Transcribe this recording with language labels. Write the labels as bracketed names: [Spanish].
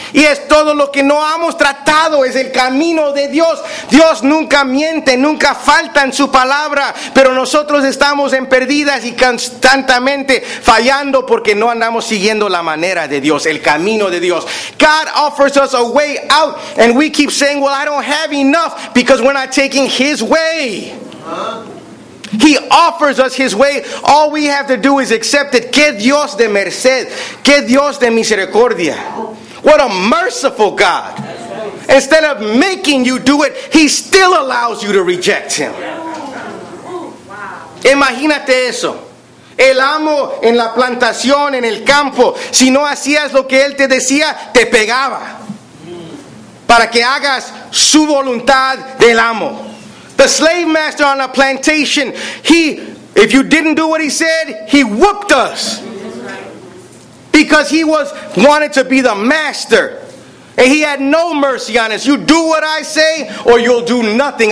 [Spanish] Y es todo lo que no hemos tratado. Es el camino de Dios. Dios nunca miente, nunca falta en su palabra. Pero nosotros estamos en perdidas y constantemente fallando porque no andamos siguiendo la manera de Dios, el camino de Dios. [English] God offers us a way out. And we keep saying, well, I don't have enough because we're not taking His way. He offers us His way. All we have to do is accept it. [Spanish] Que Dios de merced. Que Dios de misericordia. [English] What a merciful God. Instead of making you do it, He still allows you to reject Him. [Spanish] Imagínate eso. El amo en la plantación, en el campo, si no hacías lo que él te decía, te pegaba. Para que hagas su voluntad del amo. [English] The slave master on a plantation, if you didn't do what he said, he whooped us. Because he wanted to be the master. And he had no mercy on us. You do what I say or you'll do nothing.